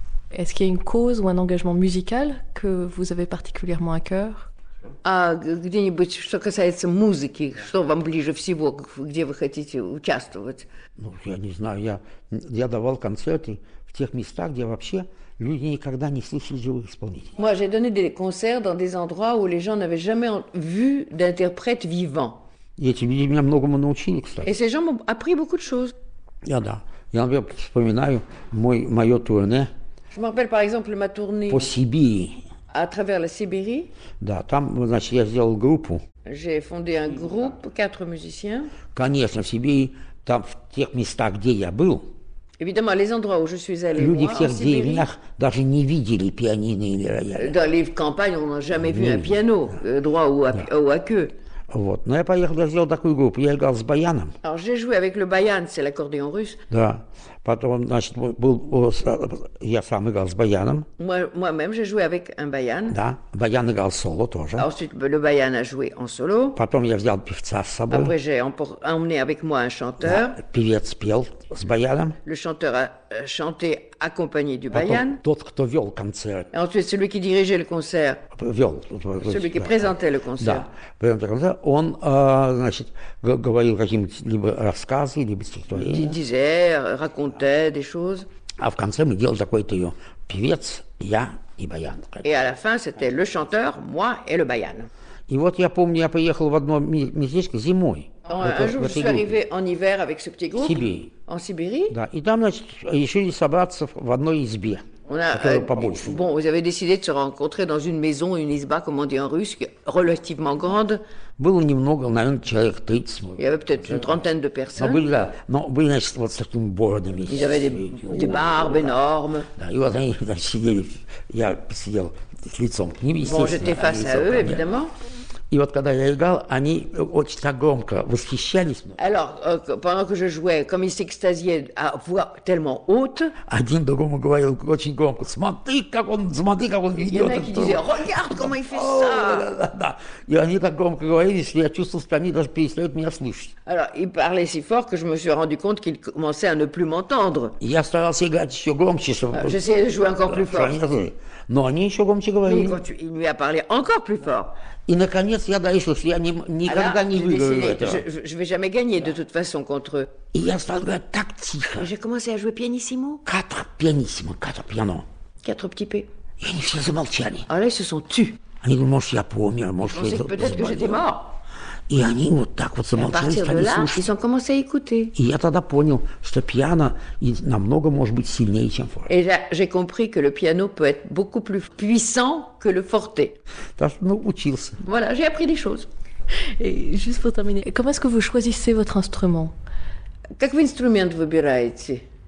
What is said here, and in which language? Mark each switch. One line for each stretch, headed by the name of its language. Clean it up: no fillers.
French: Est-ce qu'il y a une cause ou un engagement musical que vous avez particulièrement à cœur?
Russian: Где-нибудь, что касается музыки, что вам ближе всего, где вы хотите участвовать? Ну, я не знаю, я давал концерты в тех местах, где вообще люди никогда не слышали живых исполнителей.
French: Moi, j'ai donné des concerts dans des endroits où les gens n'avaient jamais vu d'interprète vivant.
Russian: И эти люди меня многому научили, кстати.
French: Et ces gens m'ont appris beaucoup de choses.
Russian: Я да. Я, например, вспоминаю мое турне.
French: Je me rappelle, par exemple, ma tournée.
Russian: По Сибири.
French: À travers la Sibérie.
Russian: Да, там, значит, я сделал группу.
French: J'ai fondé un groupe, 4 musiciens.
Russian: Конечно, в Сибири, там, в тех местах, где я был.
French: Évidemment, les endroits où je suis allée
Russian: Люди
French: voir,
Russian: в тех деревнях даже не видели пианино или рояль.
French: Dans les campagnes, on n'a jamais vu un piano, droit ou à, ou à queue.
Russian: Вот. Но я поехал, я сделал такую группу, я играл с баяном.
French: Alors, j'ai joué avec le баян, c'est l'accordéon russe.
Russian: Да. Потом, значит, был, был, я сам играл с баяном.
French: Moi-même, j'ai joué avec un баян.
Russian: Да. Баян играл соло тоже.
French: Ensuite, le баян a joué en solo.
Russian: Потом я взял певца с собой.
French: Après, j'ai emmené avec moi un chanteur.
Russian: Да. Певец пел с баяном.
French: Le chanteur a chanté accompagné du баян.
Russian: Потом тот, кто вел концерт.
French: Et ensuite, celui qui dirigeait le concert.
Russian: Вел.
French: Celui qui présentait le concert. Да. Présentait le concert.
Russian: Он, значит, говорил какие-либо рассказы, либо стихотворения.
French: Il disait, racontait des choses.
Russian: А в конце мы делали такой-то ее певец, я и баян.
French: Et à la fin, c'était le chanteur, moi et le баян.
Russian: И вот я помню, я приехал в одно местечко зимой.
French: Un jour, je suis arrivé en hiver avec ce petit groupe.
Russian: Сибирь.
French: En Sibérie.
Russian: Да. И там, значит, решили собраться в одной избе.
French: On a, bon, vous avez décidé de se rencontrer dans une maison, une изба, comme on dit en russe, relativement grande.
Russian: Было немного, наверное, человек 30.
French: Il y avait peut-être une trentaine de personnes.
Russian: Но, но были, значит, вот с такими бородами.
French: Ils avaient des barbes énormes.
Russian: Да, и вот они, значит, сидели, я сидел лицом к ним, естественно.
French: Bon, j'étais face à eux, évidemment.
Russian: И вот когда я играл, они очень так громко восхищались.
French: Alors, pendant que je jouais, comme ils s'extasiaient à voix tellement haute,
Russian: один другому говорил очень громко: смотри, как он ведет.
French: Il y en a qui disaient: regarde, comment il fait ça.
Russian: Да. И они так громко говорили, что я чувствовал, что они даже перестают меня слышать.
French: Alors, ils parlaient si fort que je me suis rendu compte qu'ils commençaient à ne plus m'entendre.
Russian: Я старался играть еще громче, чтобы...
French: J'essayais de jouer encore plus fort.
Russian: Но они еще громче говорили.
French: Mais quand il lui a parlé encore plus fort.
Russian: И наконец я дошел, что я не, никогда
French: Alors,
Russian: не выиграю
French: décidé,
Russian: этого.
French: Je vais jamais gagner, de toute façon, contre eux.
Russian: И я стал играть так тихо.
French: J'ai commencé à jouer pianissimo. Quatre pianissimo, quatre piano. Quatre petits p.
Russian: И они все замолчали.
French: Alors là, ils se sont tus.
Russian: Они думали, может, я помер, может,
French: Ils pensaient peut-être que j'étais mort.
Russian: И они вот так вот замолчали,
French: Et à partir
Russian: стали
French: de là, ils ont commencé à écouter.
Russian: И я тогда понял, что пиано намного может быть сильнее, чем форте.
French: Et là, j'ai compris que le piano peut être beaucoup plus puissant que le forte.
Russian: Так, ну, учился.
French: Voilà, j'ai appris des choses. Et juste pour terminer, comment est-ce que vous choisissez votre instrument?
Russian: Как вы инструмент выбираете?